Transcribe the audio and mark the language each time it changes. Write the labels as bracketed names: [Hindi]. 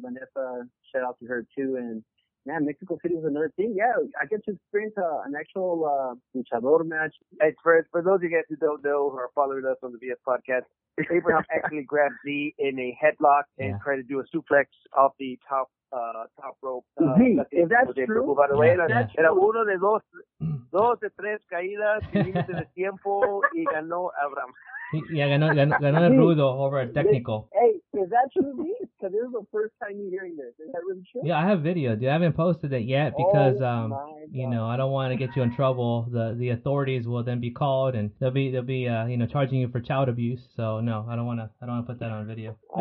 [English] Vanessa, shout out to her too. And man, Mexico City is another thing. Yeah, I get to experience an actual luchador match. For those of you guys who don't know who are following us on the VS podcast, Abraham actually grabbed Z in a headlock and tried to do a suplex off the top rope. Z, is that true? Move out of the way. [Spanish] Era uno de dos de tres caídas, límite de tiempo, y ganó Abraham. Yeah, ganó el rudo over el técnico. [English] Hey, is that true, me? Because this is the first time you're hearing this. Is that really true? Yeah, I have video, dude. I haven't posted it yet because, you know, I don't want to get you in trouble. The authorities will then be called, and they'll be you know, charging you for child abuse. So, no, I don't want to put that on video.